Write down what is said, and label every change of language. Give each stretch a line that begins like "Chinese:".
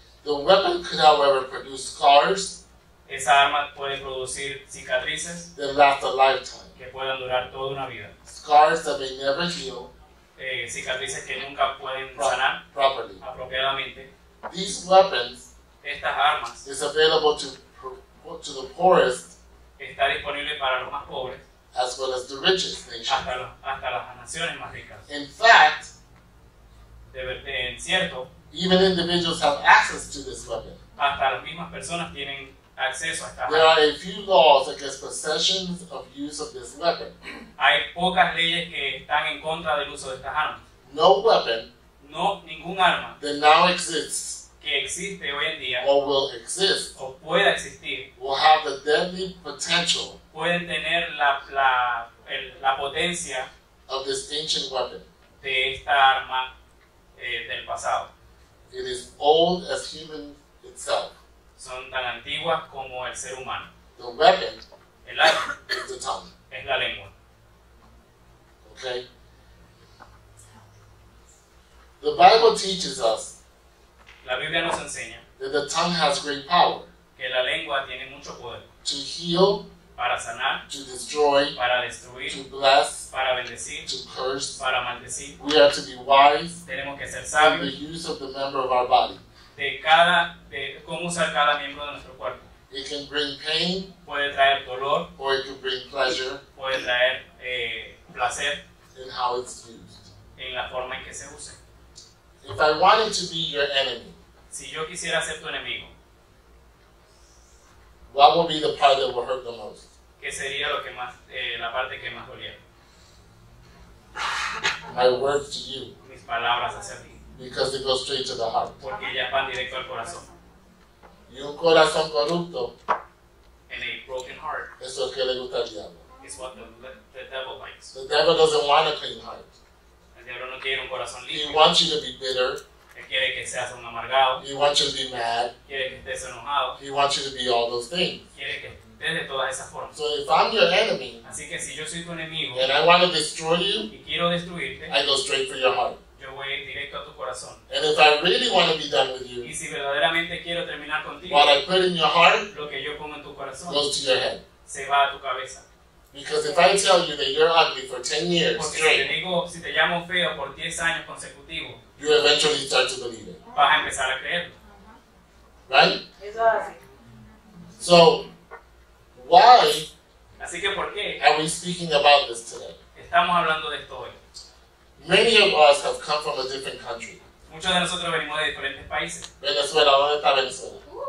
English: The weapon could, however, produce scars.
Spanish: Esa arma puede producir cicatrices
English: that last a lifetime.
Spanish: Que puedan durar toda una vida.
English: Scars that may never heal.
Spanish: Cicatrices que nunca pueden sanar
English: properly.
Spanish: Apropiadamente.
English: These weapons,
Spanish: estas armas,
English: is available to the poorest.
Spanish: Está disponible para los más pobres.
English: As well as the richest nations.
Spanish: Hasta las naciones más ricas.
English: In fact,
Spanish: en cierto,
English: even individuals have access to this weapon.
Spanish: Hasta las mismas personas tienen acceso a estas armas.
English: There are a few laws against possession of use of this weapon.
Spanish: Hay pocas leyes que están en contra del uso de estas armas.
English: No weapon.
Spanish: No, ningún arma.
English: That now exists.
Spanish: Que existe hoy en día.
English: Or will exist.
Spanish: O pueda existir.
English: Will have the deadly potential.
Spanish: Pueden tener la potencia.
English: Of this ancient weapon.
Spanish: De esta arma del pasado.
English: It is old as human itself.
Spanish: Son tan antiguas como el ser humano.
English: The weapon.
Spanish: El arma.
English: Is the tongue.
Spanish: Es la lengua.
English: Okay. The Bible teaches us.
Spanish: La Biblia nos enseña.
English: That the tongue has great power.
Spanish: Que la lengua tiene mucho poder.
English: To heal.
Spanish: Para sanar.
English: To destroy.
Spanish: Para destruir.
English: To bless.
Spanish: Para bendecir.
English: To curse.
Spanish: Para maldecir.
English: We are to be wise.
Spanish: Tenemos que ser sabios.
English: In the use of the member of our body.
Spanish: De cómo usar cada miembro de nuestro cuerpo.
English: It can bring pain.
Spanish: Puede traer dolor.
English: Or it can bring pleasure.
Spanish: Puede traer placer.
English: In how it's used.
Spanish: En la forma en que se use.
English: If I wanted to be your enemy.
Spanish: Si yo quisiera ser tu enemigo.
English: What would be the part that would hurt the most?
Spanish: ¿Qué sería lo que más, la parte que más dolía?
English: My words to you.
Spanish: Mis palabras hacia ti.
English: Because it goes straight to the heart.
Spanish: Porque ya van directo al corazón. Y un corazón corrupto.
English: And a broken heart.
Spanish: Eso es que le gusta al diablo.
English: It's what the devil likes. The devil doesn't want a clean heart.
Spanish: El diablo no quiere un corazón limpio.
English: He wants you to be bitter.
Spanish: Quiere que seas un amargado.
English: He wants you to be mad.
Spanish: Quiere que estés enojado.
English: He wants you to be all those things.
Spanish: Quiere que estés de todas esas formas.
English: So if I'm your enemy,
Spanish: así que si yo soy tu enemigo,
English: and I want to destroy you,
Spanish: y quiero destruirte,
English: I go straight for your heart.
Spanish: Yo voy directo a tu corazón.
English: And if I really want to be done with you,
Spanish: y si verdaderamente quiero terminar contigo,
English: what I put in your heart,
Spanish: lo que yo pongo en tu corazón,
English: goes to your head.
Spanish: Se va a tu cabeza.
English: Because if I tell you that you're ugly for 10 years straight,
Spanish: si te digo, si te llamo feo por 10 años consecutivos,
English: you eventually start to believe it.
Spanish: Vas a empezar a creerlo.
English: Right?
Spanish: Eso hace.
English: So, why
Spanish: así que, ¿por qué?
English: Are we speaking about this today?
Spanish: Estamos hablando de esto hoy.
English: Many of us have come from a different country.
Spanish: Muchos de nosotros venimos de diferentes países. Venezuela, ¿dónde está Venezuela?